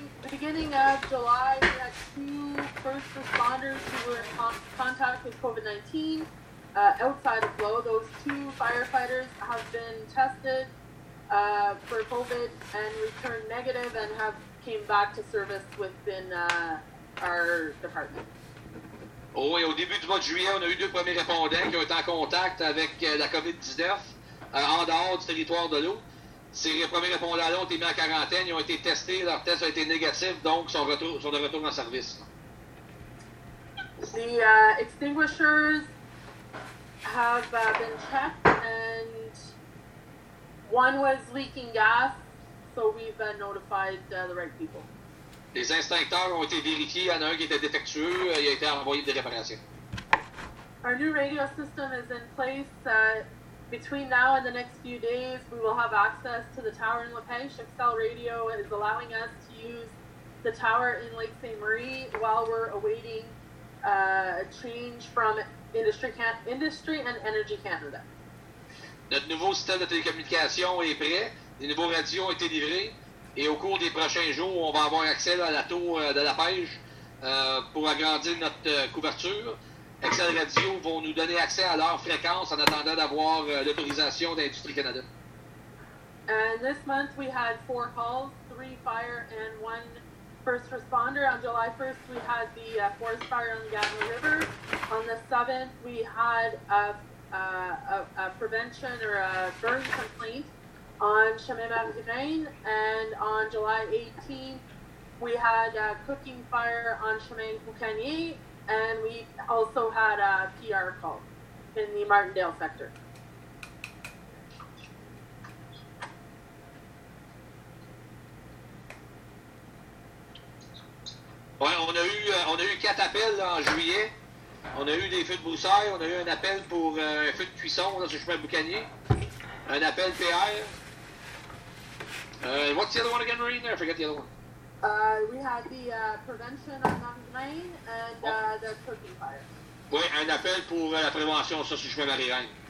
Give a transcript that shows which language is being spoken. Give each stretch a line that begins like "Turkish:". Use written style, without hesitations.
English: Beginning of July, we had 2 first responders who were in contact with COVID-19 outside of Glow. Those 2 firefighters have been tested for COVID and returned negative and have came back to service within our department.
French: Oh, et au début du mois de juillet, on a eu 2 premiers répondants qui ont été en contact avec la COVID-19 en dehors du territoire de l'eau. Ces premiers répondants-là ont été mis en quarantaine, ils ont été testés, leurs tests ont été négatifs, donc sont de retour en service.
English: The extinguishers have been checked and one was leaking gas, so we've notified the right people.
French: Les extincteurs ont été vérifiés, il y en a un qui était défectueux, il a été envoyé des réparations.
English: Our new radio system is in place. Between now and the next few days, we will have access to the tower in LaPeche. Excel Radio is allowing us to use the tower in Lake St. Marie while we're awaiting a change from Industry and Energy Canada.
French: Notre nouveau système de télécommunication est prêt. Les nouveaux radios ont été livrés. Et au cours des prochains jours, on va avoir accès à la tour de LaPeche pour agrandir notre couverture. Excel Radio vont nous donner accès à leur fréquence en attendant d'avoir l'autorisation d'Industrie Canada.
English: And this month we had 4 calls, 3 fire and 1 first responder. On July 1st we had the forest fire on the Gatineau River. On the 7th we had a prevention or a burn complaint on Chemin-Marie-Rain. And on July 18th we had a cooking fire on Chemin-Coucanier. And we also had a PR call in the Martindale sector.
French: Ouais, on a eu 4 appels là, en juillet. On a eu des feux de broussailles, on a eu un appel pour un feu de cuisson là, sur le chemin Boucanier. Un appel PR.
English: What's the other one again, Marine? I forget the other one. We had the prevention on Marie-Rain and the cooking fire.
French: Oui, un appel pour la prévention sur le chemin Marie-Rain.